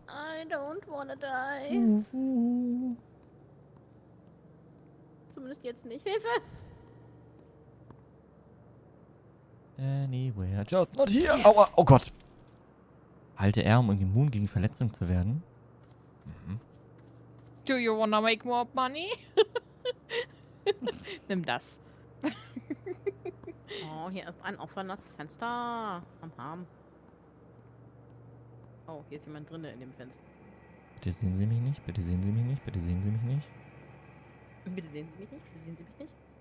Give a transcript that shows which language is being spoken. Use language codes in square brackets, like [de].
[en] I don't wanna die. [de] Zumindest jetzt nicht. Hilfe! [en] Anywhere, just not here! Aua! Oh Gott! [de] Halte R, um immun gegen Verletzung zu werden. Mhm. [en] Do you wanna make more money? [de] Nimm das. Oh, hier ist ein offenes Fenster. Am Arm. Oh, hier ist jemand drin in dem Fenster. Bitte sehen Sie mich nicht. Bitte sehen Sie mich nicht. Bitte sehen Sie mich nicht. Bitte sehen Sie mich nicht. Bitte sehen Sie mich nicht.